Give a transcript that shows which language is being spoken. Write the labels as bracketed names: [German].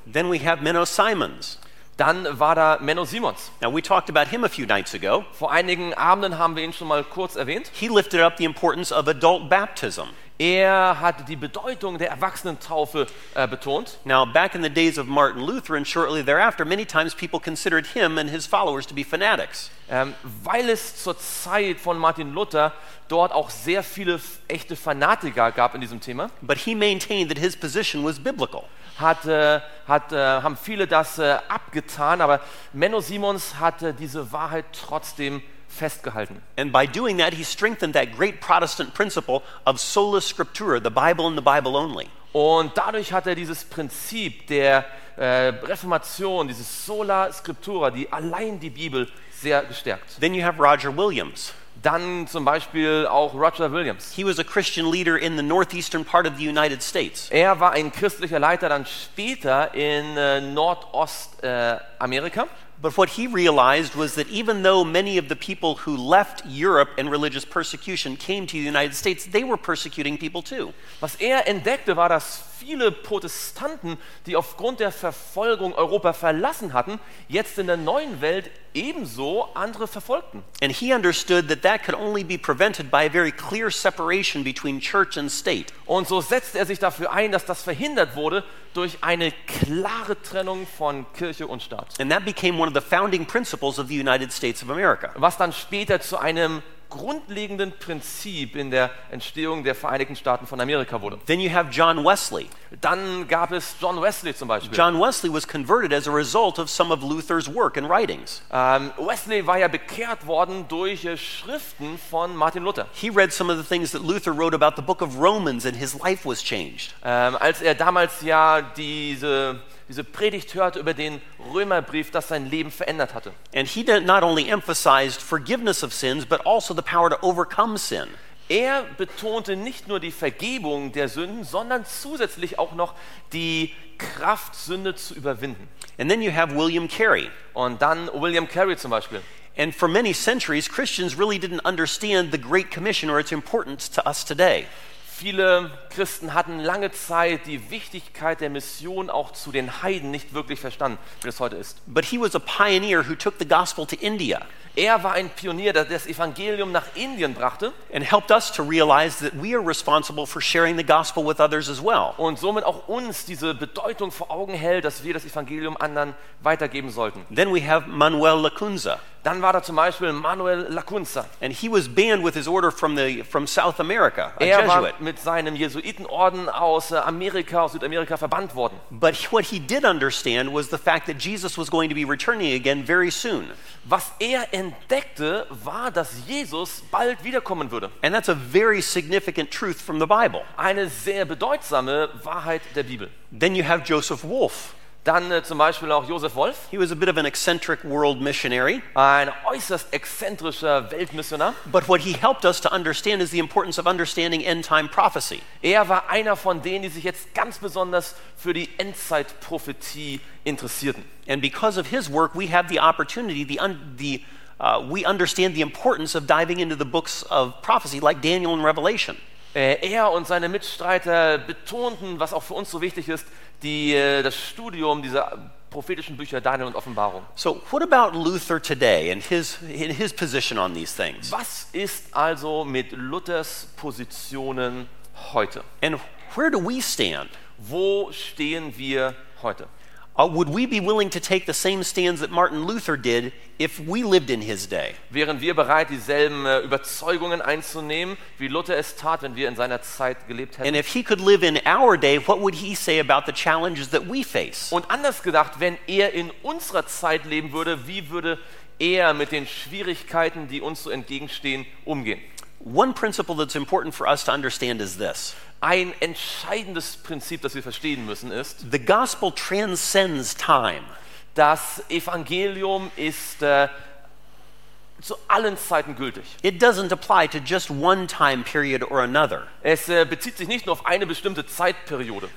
[English] Then we have Menno Simons. [German] Dann war da Menno Simons. [English] Now we talked about him a few nights ago. [German] Vor einigen Abenden haben wir ihn schon mal kurz erwähnt. [English] He lifted up the importance of adult baptism. [German] Er hat die Bedeutung der Erwachsenentaufe betont. [English] Now back in the days of Martin Luther and shortly thereafter, many times people considered him and his followers to be fanatics. [German] Weil es zur Zeit von Martin Luther dort auch sehr viele echte Fanatiker gab in diesem Thema. [English] But he maintained that his position was biblical. [German] Haben viele das abgetan, aber Menno Simons hatte diese Wahrheit trotzdem festgehalten. [English] And by doing that, he strengthened that great Protestant principle of sola scriptura, the Bible and the Bible only. [German] Und dadurch hat dieses Prinzip der Reformation, dieses sola scriptura, die allein die Bibel, sehr gestärkt. [English] Then you have Roger Williams. [German] Dann zum Beispiel auch Roger Williams. [English] He was a Christian leader in the northeastern part of the United States. [German] Er war ein christlicher Leiter dann später in Nordost Amerika. [English] But what he realized was that even though many of the people who left Europe in religious persecution came to the United States, they were persecuting people too. [German] Was er entdeckte, war, dass viele Protestanten, die aufgrund der Verfolgung Europa verlassen hatten, jetzt in der neuen Welt ebenso andere verfolgten. [English] And he understood that that could only be prevented by a very clear separation between church and state. [German] Und so setzte er sich dafür ein, dass das verhindert wurde durch eine klare Trennung von Kirche und Staat. [English] And that became one of the founding principles of the United States of America. [German] Was dann später zu einem grundlegenden Prinzip in der Entstehung der Vereinigten Staaten von Amerika wurde. [English] Then you have John Wesley. [German] Dann gab es John Wesley zum Beispiel. [English] John Wesley was converted as a result of some of Luther's work and writings. [German] Wesley war ja bekehrt worden durch Schriften von Martin Luther. [English] He read some of the things that Luther wrote about the book of Romans and his life was changed. [German] Als er damals ja diese Predigt hörte über den Römerbrief, das sein Leben verändert hatte. [English] And he did not only emphasized forgiveness of sins, but also the power to overcome sin. [German] Er betonte nicht nur die Vergebung der Sünden, sondern zusätzlich auch noch die Kraft, Sünde zu überwinden. [English] And then you have William Carey. [German] Und dann William Carey zum Beispiel. [English] And for many centuries, Christians really didn't understand the Great Commission or its importance to us today. [German] Viele Christen hatten lange Zeit die Wichtigkeit der Mission auch zu den Heiden nicht wirklich verstanden, wie das heute ist. [English] But he was a pioneer who took the gospel to India. [German] Er war ein Pionier, der das Evangelium nach Indien brachte. [English] And helped us to realize that we are responsible for sharing the gospel with others as well. [German] Und somit auch uns diese Bedeutung vor Augen hält, dass wir das Evangelium anderen weitergeben sollten. [English] Then we have Manuel Lacunza. [German] Dann war da zum Beispiel Manuel Lacunza. [English] And he was banned with his order from South America, a Jesuit. [German] War mit seinem Jesuitenorden aus Amerika, aus Südamerika verbannt worden. [English] But what he did understand was the fact that Jesus was going to be returning again very soon. [German] Was er entdeckte, war, dass Jesus bald wiederkommen würde. [English] And that's a very significant truth from the Bible. [German] Eine sehr bedeutsame Wahrheit der Bibel. [English] Then you have Joseph Wolff. [German] Dann zum Beispiel auch Josef Wolff. [English] He was a bit of an eccentric world missionary. [German] Ein äußerst exzentrischer Weltmissionar. [English] But what he helped us to understand is the importance of understanding end-time prophecy. [German] Er war einer von denen, die sich jetzt ganz besonders für die Endzeitprophetie interessierten. [English] And because of his work, we have the opportunity, we understand the importance of diving into the books of prophecy like Daniel and Revelation. [German] Er und seine Mitstreiter betonten, was auch für uns so wichtig ist, das Studium dieser prophetischen Bücher Daniel und Offenbarung. [English] So, what about Luther today and his position on these things? [German] Was ist also mit Luthers Positionen heute? [English] And where do we stand? [German] Wo stehen wir heute? [English] Would we be willing to take the same stands that Martin Luther did if we lived in his day? [German] Wären wir bereit, dieselben Überzeugungen einzunehmen, wie Luther es tat, wenn wir in seiner Zeit gelebt hätten? [English] And if he could live in our day, what would he say about the challenges that we face? [German] Und anders gedacht, wenn er in unserer Zeit leben würde, wie würde er mit den Schwierigkeiten, die uns so entgegenstehen, umgehen? [English] One principle that's important for us to understand is this. [German] Ein entscheidendes Prinzip, das wir verstehen müssen, ist: [English] The gospel transcends time. [German] Das Evangelium ist zu allen Zeiten gültig. [English] It doesn't apply to just one time period or another. [German] Es bezieht sich nicht nur auf eine bestimmte Zeitperiode.